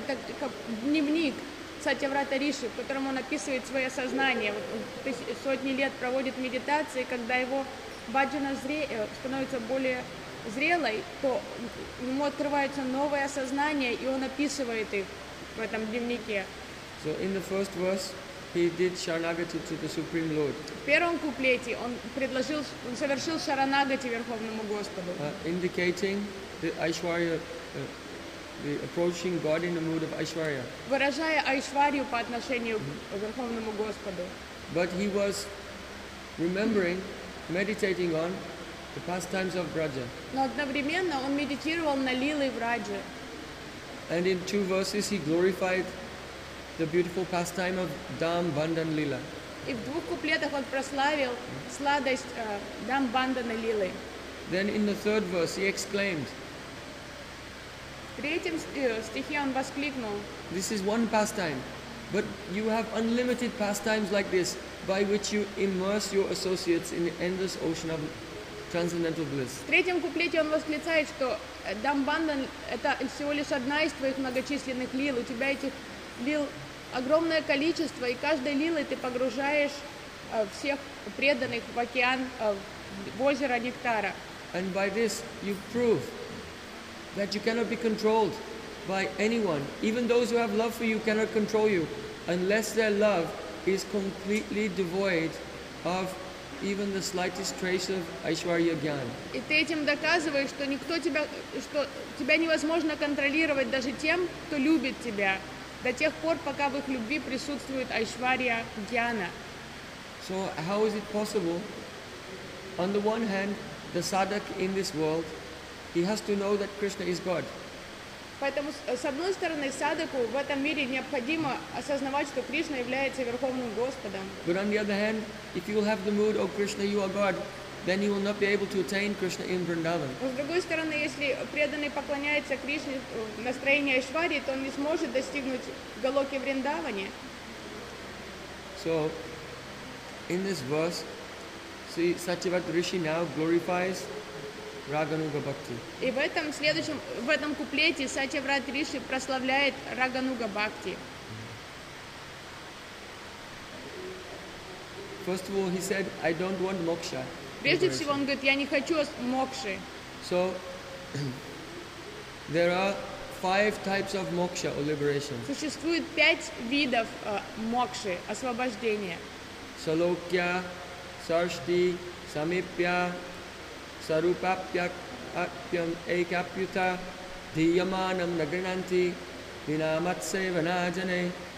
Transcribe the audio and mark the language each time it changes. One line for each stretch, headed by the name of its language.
Russian: Это как дневник Сатьяврата Риши, в котором он описывает свое сознание. Вот он сотни лет проводит медитации, когда его баджана становится более зрелой, то ему открывается новое сознание, и он описывает их в этом дневнике.
English: So in the first verse, he did Sharanagati to the Supreme Lord.
Russian: В первом куплете он предложил, он совершил Шаранагати Верховному Господу.
English: Indicating the Aishwarya, the approaching God in the mood of Aishwarya.
Russian: Выражая Айшварию по отношению к Верховному Господу.
English: But he was remembering, meditating on the pastimes of Braja.
Russian: Но одновременно он медитировал на лилы Враджи.
English: And in two verses he glorified the beautiful pastime of Dham Bandhan Lila.
Russian: И в двух куплетах он прославил сладость Дам Бандана Лилы.
English: Then in the third verse he exclaimed.
Russian: В третьем стихе он воскликнул.
English: This is one pastime, but you have unlimited pastimes like this by which you immerse your associates in the endless ocean of transcendental bliss.
Russian: В третьем куплете он восклицает, что Дам Бандан это всего лишь одна из твоих многочисленных лил, у тебя этих лил огромное количество, и каждой лилой ты погружаешь всех преданных в океан, в озеро нектара.
English: And by this you prove that you cannot be controlled by anyone. Even those who have love for you cannot control you, unless their love is completely devoid of even the slightest trace of Aishwarya Gyan.
Russian: И ты этим доказываешь, что никто тебя, что тебя невозможно контролировать даже тем, кто любит тебя. До тех пор, пока в их любви присутствует Айшвария Гьяна.
English: So how is it possible? On the one hand, the sadhak in this world, he has to know that Krishna is God.
Russian: Поэтому с одной стороны, садаку в этом мире необходимо осознавать, что Кришна является верховным Господом.
English: But on the other hand, if you will have the mood, oh Krishna, you are God, then you will not be able to attain Krishna in Vrindavan.
Russian: С другой стороны, если преданный поклоняется Кришне в настроении Айшвари, то он не сможет достигнуть Галоки Вриндаване.
English: So, in this verse, see, Satyavrata Rishi now glorifies Raganuga Bhakti.
Russian: И в этом следующем, в этом куплете Сатьяврата Риши прославляет Рагануга Бхакти.
English: First of all, he said, I don't want moksha.
Russian: Прежде всего, он говорит, я не хочу мокши.
English: So, there are five types of moksha or liberation.
Russian: Существует пять видов мокши, освобождения.
Sanskrit: Салокья, Сарсти, Самипья, Сарупапья, Апьям, Экапьюта, Дийяманам, Награнанти, Винаматсе, Ванаджане.